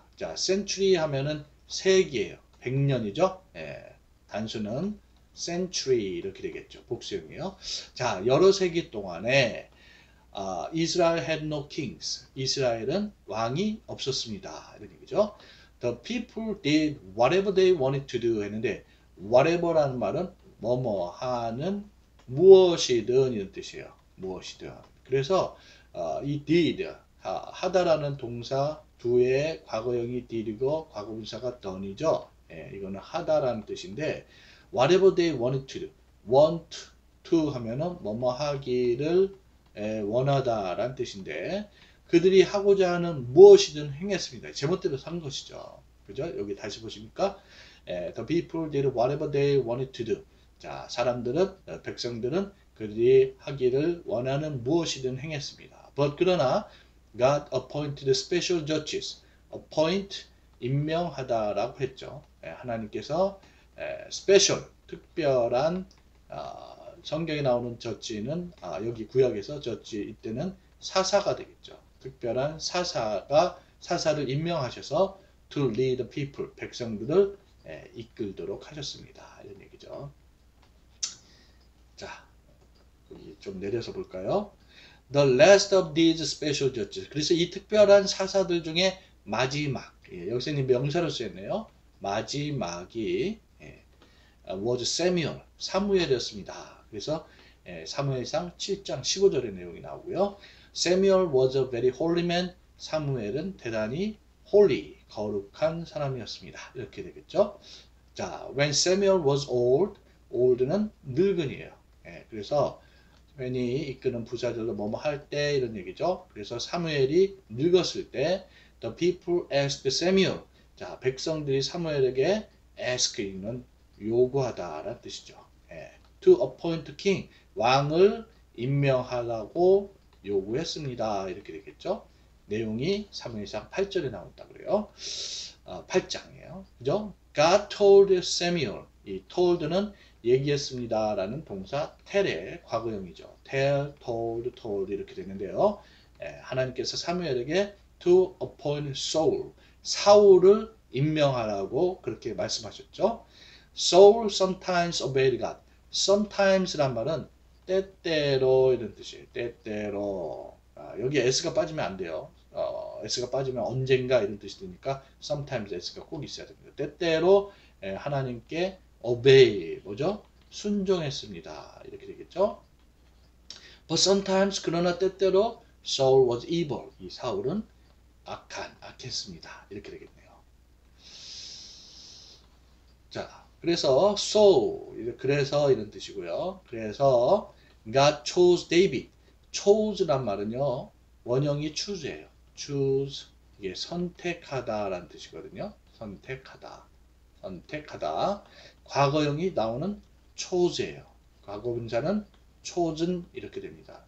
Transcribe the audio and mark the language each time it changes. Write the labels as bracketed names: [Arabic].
[Korean] 자, century 하면은 세기예요. 100년이죠. 단수는 century 이렇게 되겠죠. 복수형이에요. 자, 여러 세기 동안에 [English] Israel had no kings. [Korean] 이스라엘은 왕이 없었습니다. 이런 얘기죠. [English] The people did whatever they wanted to do [Korean] 했는데, whatever라는 말은 뭐뭐 하는 무엇이든 이런 뜻이에요. 무엇이든. 그래서 이 did 하다라는 동사 두의 과거형이 did이고 과거분사가 done이죠. 이거는 하다라는 뜻인데, [English] whatever they wanted to do, [Korean] want to 하면은 뭐뭐 하기를 원하다라는 뜻인데, 그들이 하고자 하는 무엇이든 행했습니다. 제멋대로 산 것이죠. 그죠? 여기 다시 보십니까? [English] The people did whatever they wanted to do. [Korean] 자, 사람들은, 백성들은 그들이 하기를 원하는 무엇이든 행했습니다. [English] But [Korean] 그러나, [English] God appointed special judges. [Korean] Appoint, 임명하다라고 했죠. 하나님께서 special, 특별한, 성경에 나오는 judge는, 여기 구약에서 judge 이때는 사사가 되겠죠. 특별한 사사를 임명하셔서 [English] to lead the people, [Korean] 백성들을 이끌도록 하셨습니다. 이런 얘기죠. 자, 여기 좀 내려서 볼까요? [English] The last of these special judges. [Korean] 그래서 이 특별한 사사들 중에 마지막, 여기서는 명사로 쓰였네요. 마지막이 [English] was Samuel, [Korean] 사무엘이었습니다. 그래서 사무엘상 7장 15절의 내용이 나오고요. [English] Samuel was a very holy man. [Korean] 사무엘은 대단히 holy, 거룩한 사람이었습니다. 이렇게 되겠죠? [English] 자, when Samuel was old, old는 늙은이에요. [Korean] 그래서 when이 이끄는 부사절로 뭐뭐 할때 이런 얘기죠. 그래서 사무엘이 늙었을 때, [English] The people asked Samuel. [Korean] 자, 백성들이 사무엘에게 ask 이는 요구하다라는 뜻이죠. 예, [English] to appoint king, [Korean] 왕을 임명하라고 요구했습니다. 이렇게 되겠죠. 내용이 사무엘상 8절에 나온다 그래요. 8장이에요. 그죠? [English] God told Samuel. [Korean] 이 told는 얘기했습니다라는 동사 tell의 과거형이죠. [English] tell, told, told 이렇게 되는데요. [Korean] 예, 하나님께서 사무엘에게 [English] to appoint Saul, [Korean] 사울을 임명하라고 그렇게 말씀하셨죠. [English] Saul sometimes obeyed God. [Korean] sometimes란 말은 때때로 이런 뜻이에요. 때때로. 아, 여기 s가 빠지면 안 돼요. s가 빠지면 언젠가 이런 뜻이 되니까 sometimes s가 꼭 있어야 됩니다. 때때로 하나님께 obey, 뭐죠? 순종했습니다. 이렇게 되겠죠. [English] But sometimes, [Korean] 그러나 때때로 [English] Saul was evil. [Korean] 이 사울은 악했습니다. 이렇게 되겠네요. 자, 그래서 so, 그래서 이런 뜻이고요. [English] 그래서 God chose David. [Korean] chose란 말은요, 원형이 choose예요. choose, 이게 선택하다라는 뜻이거든요. 선택하다. 선택하다. 과거형이 나오는 chose예요. 과거분사는 chosen 이렇게 됩니다.